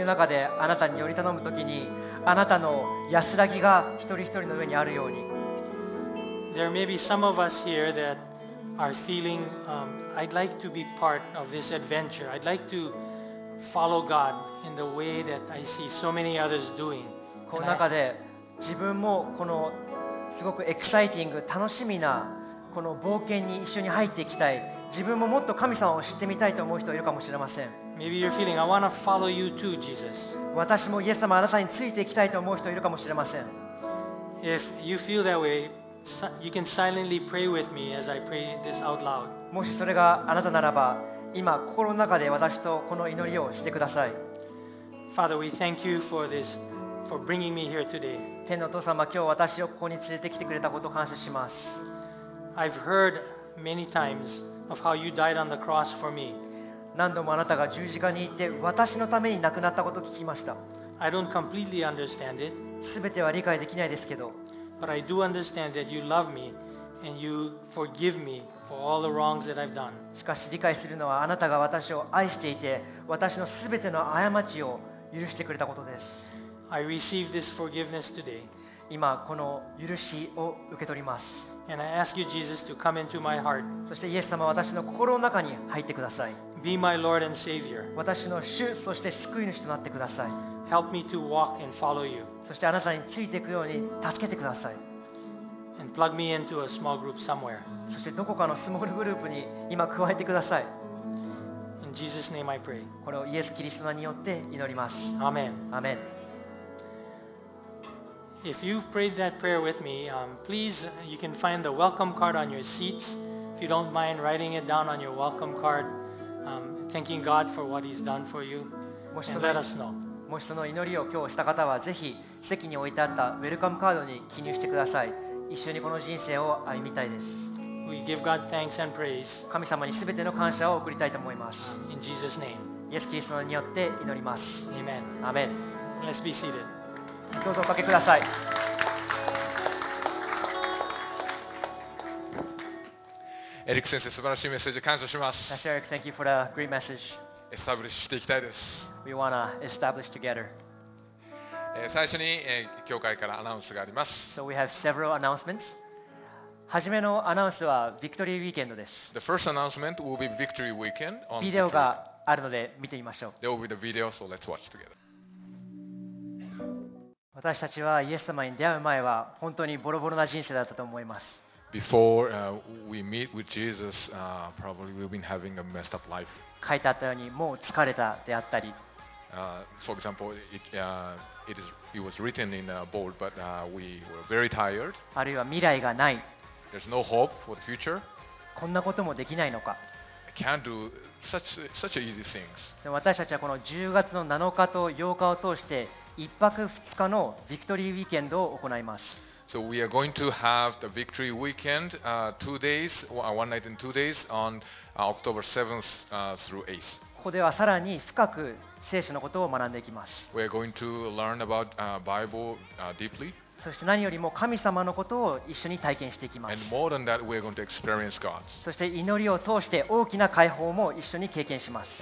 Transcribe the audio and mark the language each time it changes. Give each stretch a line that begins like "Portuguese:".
Japanese: の中であなたによりたのむときにあなたの安らぎが一人一人の上にあるように。
English: There may be some of us here that are feeling, I'd like to be part of this adventure. I'd like to follow God in the way that I see so many others doing.
Japanese: この中で自分もこのすごくエキサイティング楽しみなこの冒険に一緒に入っていきたい、自分ももっと神様を知ってみたいと思う人いるかもしれません。
English: Maybe you're feeling, I want to follow you too, Jesus.
Japanese: 私もイエス様あなたについていきたいと思う人いるかもしれません。
English: If you feel that way, you can silently pray with me as I pray this out loud.
Japanese: もしそれがあなたならば今心の中で私とこの祈りをしてください。
English: Father, we thank you for thisFor bringing me here today.
Japanese: 天のお父様、今日私をここに連れてきてくれたことを感謝します。
English: I've heard many times of how you died on the cross for me.
Japanese: 何度もあなたが十字架に行って私のために亡くなったことを聞きました。
English: I don't completely understand it.
Japanese: 全ては理解できないですけど、
English: But I do understand that you love me and you forgive me for all the wrongs that I've done.
Japanese: しかし理解するのはあなたが私を愛していて私の全ての過ちを許してくれたことです。
English: I receive this forgiveness today.
Japanese: 今この許しを受け取ります。
English: And I ask you, Jesus, to come into my heart.
Japanese: そしてイエス様は私の心の中に入ってください。
English: Be my Lord and Savior.
Japanese: 私の主、そして救い主となってください。
English: Help me to walk and follow you.
Japanese: そしてあなたについていくように助けてください。
English: And plug me into a small group somewhere.
Japanese: そしてどこかのスモールグループに今加えてください。
English: In Jesus' name I pray.
Japanese: これをイエス・キリストによって祈ります。
English: Amen. Amen. If you've prayed that prayer with me, please, you can find the welcome card on your seats. If you don't mind writing it down on your welcome card, thanking God for what He's done for you, and let us know.
Japanese: もしその祈りを今日した方は、ぜひ席に置いてあったウェルカムカードに記入してください。一緒にこの人生を歩みたいです。
English: We give God thanks and praise.
Japanese: 神様にすべての感謝を送りたいと思います。
English: In Jesus' name.
Japanese: イエス・キリストによって祈ります。
English: Amen. Amen. Let's be seated.
Japanese: どうぞおかけください。エリック先生、素晴らしいメッセージ感謝します。
English: Pastor Eric, thank you for the great message.
Japanese: エスタブリッシュしていきたいです。
English: We wanna establish together.
Japanese: 最初に、教会からアナウンスがあります。
English: So we have several announcements.
Japanese: 初めのアナウンスはビクトリーウィーケンドです。
English: The first announcement will be Victory Weekend on
Japanese: ビデオがあるので見てみましょう。
English: There will be the video, so let's watch together.
Japanese: 私たちはイエス様に出会う前は本当にボロボロな人生だったと思います。
English: Before, we meet with Jesus, probably we've been having a messed up life.
Japanese: 書いてあったようにもう疲れたであったり。
English: For example, it was written in bold, but we were very tired.
Japanese: あるいは未来がない。
English: There's no hope for the future.
Japanese: こんなこともできないのか。
English: I can't do such easy things.
Japanese: 私たちはこの10月の7日と8日を通して一泊二日のビクトリーウィーケンドを行います。
English: So we are going to have the victory weekend, two days, one night and two days on October 7th through 8th.
Japanese: ここではさらに深く聖書のことを学んでいきます。
English: We are going to learn about Bible deeply.
Japanese: そして何よりも神様のことを一緒に体験していきます。
English: And more than that, we are going to experience God.
Japanese: そして祈りを通して大きな解放も一緒に経験します。